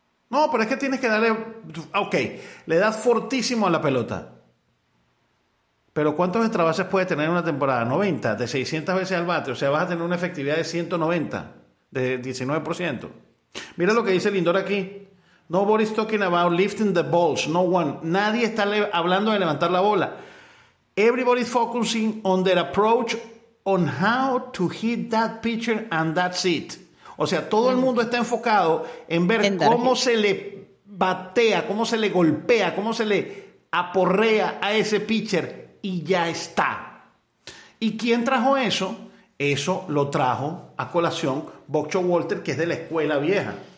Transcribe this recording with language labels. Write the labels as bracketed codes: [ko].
[es] No, pero es que tienes que darle, ok, le das fortísimo a la pelota. Pero ¿cuántos extra bases puede tener en una temporada? 90, de 600 veces al bate. O sea, vas a tener una efectividad de 190, de 19%. Mira lo que dice Lindor aquí. [en] Nobody's talking about lifting the balls. No one. [es] Nadie está hablando de levantar la bola. [en] Everybody's focusing on their approach on how to hit that pitcher and that's it. [es] O sea, todo el mundo está enfocado en ver cómo se le batea, cómo se le golpea, cómo se le aporrea a ese pitcher y ya está. ¿Y quién trajo eso? Eso lo trajo a colación Buck Showalter, que es de la escuela vieja.